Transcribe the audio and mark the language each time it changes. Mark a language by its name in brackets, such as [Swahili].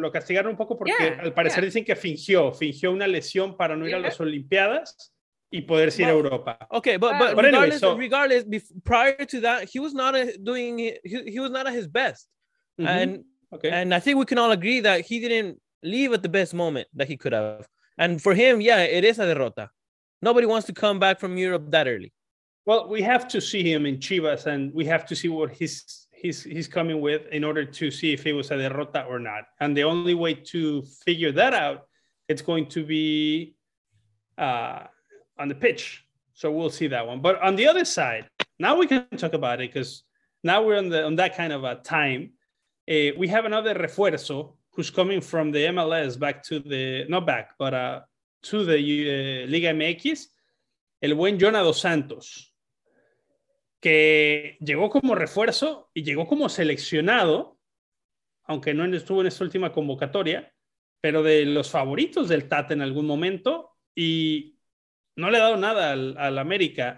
[Spanish] Lo castigaron un poco porque al parecer dicen que fingió una lesión para no ir a las Olimpiadas y poder ir a Europa. [English] Okay, but regardless, prior to that, he was not at his best. Mm-hmm. And I think we can all agree that he didn't leave at the best moment that he could have. And for him, it is a derrota. Nobody wants to come back from Europe that early. Well, we have to see him in Chivas, and we have to see what he's coming with in order to see if it was a derrota or not. And the only way to figure that out, it's going to be on the pitch. So we'll see that one. But on the other side, now we can talk about it because now we're on that kind of a time. We have another refuerzo who's coming from the MLS back to the Liga MX. [Spanish] El buen Jonah Dos Santos, que llegó como refuerzo y llegó como seleccionado, aunque no estuvo en esta última convocatoria, pero de los favoritos del Tata en algún momento, y no le ha dado nada al América.